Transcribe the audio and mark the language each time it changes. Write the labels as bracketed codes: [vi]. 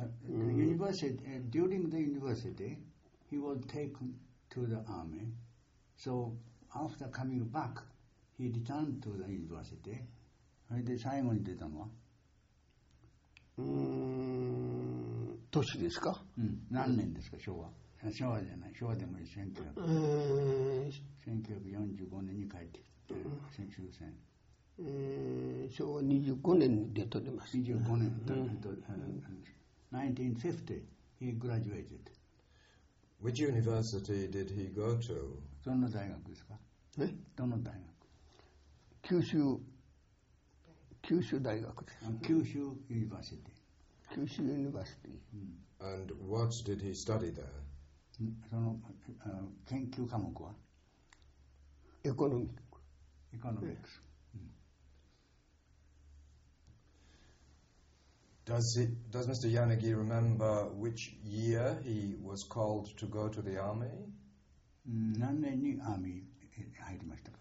[en] University, during the university, he was taken to the army. So after coming back, he returned to the university. [ja] それで最後に出たのは? うーん、年ですか、うん、何年ですか、昭和、昭和じゃない、昭和でもいい、1945年に帰ってきて、うん、終戦、昭和25年で取れました、25年、うん、 [en] 1950 he graduated。 Which university did he go to? [ja] どの大学ですか、え、どの大学、九州大学です、九州 university、九州 university、 [en] And what did he study there? [ja] その研究科目はエコノミック、エコノミックス、 [en] うん、Does Mr. Yanagi remember which year he was called to go to the army? [ja] 何年にアーミーに入りましたか、